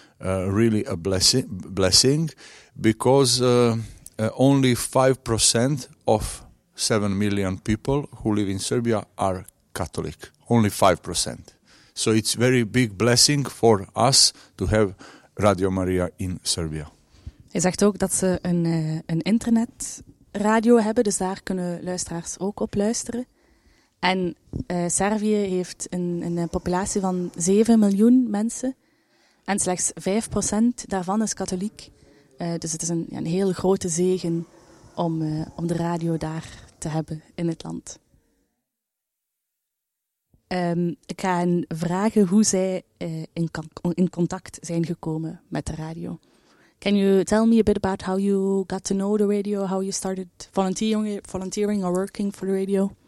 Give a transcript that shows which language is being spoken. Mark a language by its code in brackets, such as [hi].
[en] really a blessing because only 5% of 7 million people who live in Serbia are Catholic. Only 5%. So it's very big blessing for us to have Radio Maria in Serbia. [nl] Hij zegt ook dat ze een internetradio hebben, dus daar kunnen luisteraars ook op luisteren. En Servië heeft een populatie van 7 miljoen mensen en slechts 5% daarvan is katholiek. Dus het is een heel grote zegen om de radio daar te hebben in het land. Ik ga hen vragen hoe zij in contact zijn gekomen met de radio. [en] Can you tell me a bit about how you got to know the radio, how you started volunteering or working for the radio?